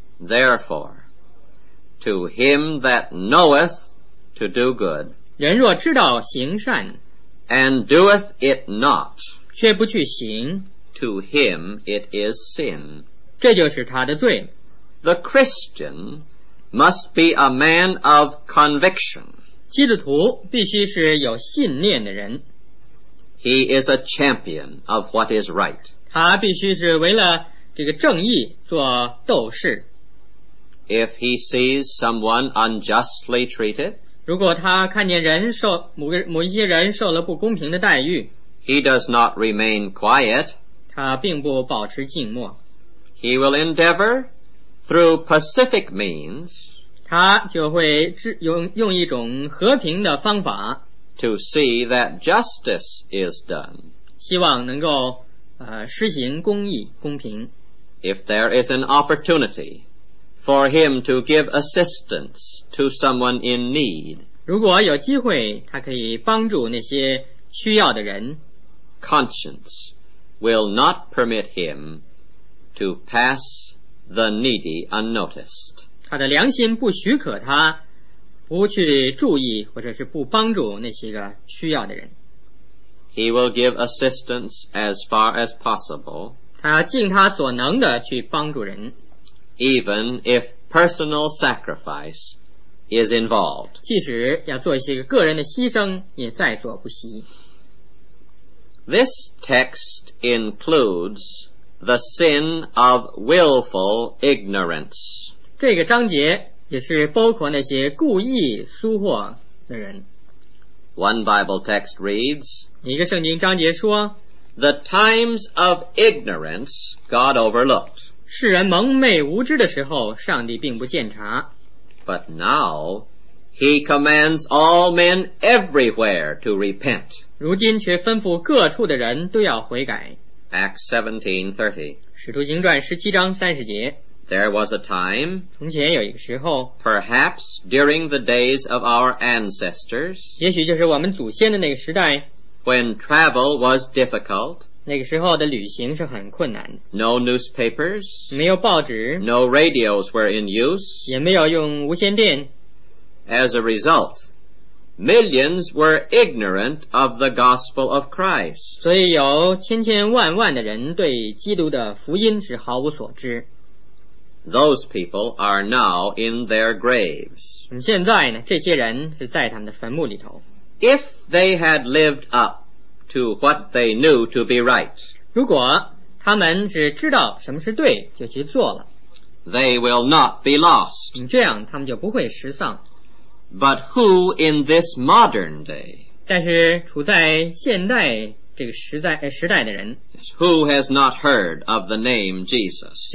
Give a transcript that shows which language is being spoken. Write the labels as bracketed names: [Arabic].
[English] Therefore, to him that knoweth to do good, [Chinese] 人若知道行善 [English] and doeth it not, [Chinese] 却不去行。 [English] To him it is sin. [Chinese] 这就是他的罪。 [English] The Christian must be a man of conviction. [Chinese] 基督徒必须是有信念的人。 [English] He is a champion of what is right. [Chinese] 他必须是为了这个正义做斗士。 [English] If he sees someone unjustly treated, [Chinese] 如果他看见人受某一些人受了不公平的待遇， [English] he does not remain quiet. [Chinese] 他并不保持静默。 [English] He will endeavor through pacific means. [Chinese] 他就会用一种和平的方法， [English] to see that justice is done. [Chinese] 希望能够施行公义公平。 [English] If there is an opportunity. For him to give assistance to someone in need. [Chinese] 如果有机会，他可以帮助那些需要的人。 [English] Conscience will not permit him to pass the needy unnoticed. [Chinese] 他的良心不许可他不去注意或者是不帮助那些个需要的人。 [English] He will give assistance as far as possible. [Chinese] 他要尽他所能的去帮助人。 [English] Even if personal sacrifice is involved. [Chinese] 即使要做一些个人的牺牲也在所不惜。 [English] This text includes the sin of willful ignorance. [Chinese] 这个章节也是包括那些故意疏忽的人。 [English] One Bible text reads, [Chinese] 一个圣经章节说, [English] The times of ignorance God overlooked. [Chinese] 世人蒙昧无知的时候，上帝并不鉴察。 [English] But now, he commands all men everywhere to repent. [Chinese] 如今却吩咐各处的人都要悔改。 [English] Acts 17:30. [Chinese] 使徒行传十七章三十节。 [English] There was a time. [Chinese] 从前有一个时候。 [English] Perhaps during the days of our ancestors. [Chinese] 也许就是我们祖先的那个时代。 [English] When travel was difficult. [Chinese] 那个时候的旅行是很困难的。 [English] No newspapers, [Chinese] 没有报纸。 [English] No radios were in use, [Chinese] 也没有用无线电。 [English] As a result, millions were ignorant of the gospel of Christ. [Chinese] 所以有千千万万的人对基督的福音是毫无所知。 [English] Those people are now in their graves. [Chinese] 现在呢，这些人是在他们的坟墓里头。 [English] If they had lived up,to what they knew to be right. [Chinese] 如果他们是知道什么是对，就去做了。 [English] They will not be lost. [Chinese] 这样他们就不会失丧。 [English] But who in this modern day? [Chinese] 但是处在现代这个时代的人。 [English] Who has not heard of the name Jesus?